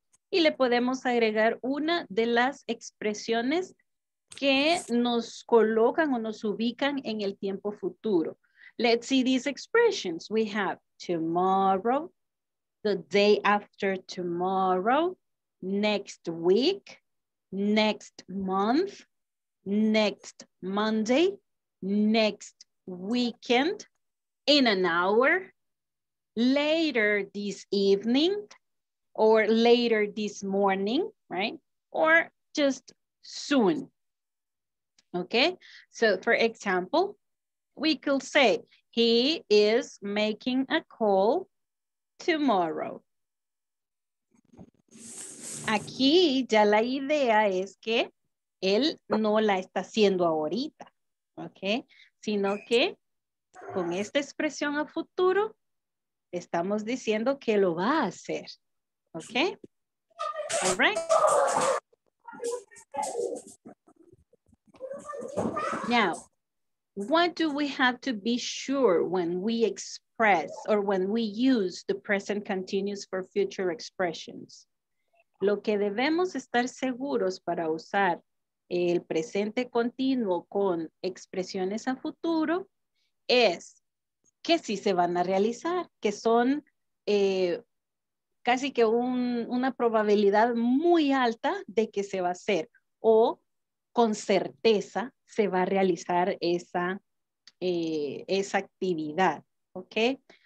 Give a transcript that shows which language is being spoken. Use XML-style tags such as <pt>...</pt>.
<es>Y le podemos agregar una de las expresiones que nos colocan o nos ubican en el tiempo futuro.</es> <en>Let's see these expressions. We have tomorrow, the day after tomorrow, next week, next month, next Monday, next weekend, in an hour, later this evening, or later this morning, right? Or just soon, okay? So for example, We could say, he is making a call tomorrow.</en> <es>Aquí ya la idea es que él no la está haciendo ahorita, ¿ok? Sino que con esta expresión a futuro, estamos diciendo que lo va a hacer, ¿ok?</es> <en>All right. Now, what do we have to be sure when we express or when we use the present continuous for future expressions?</en> <es>Lo que debemos estar seguros para usar el presente continuo con expresiones a futuro es que sí se van a realizar, que son casi que una probabilidad muy alta de que se va a hacer o con certeza se va a realizar esa actividad, ¿ok?</es>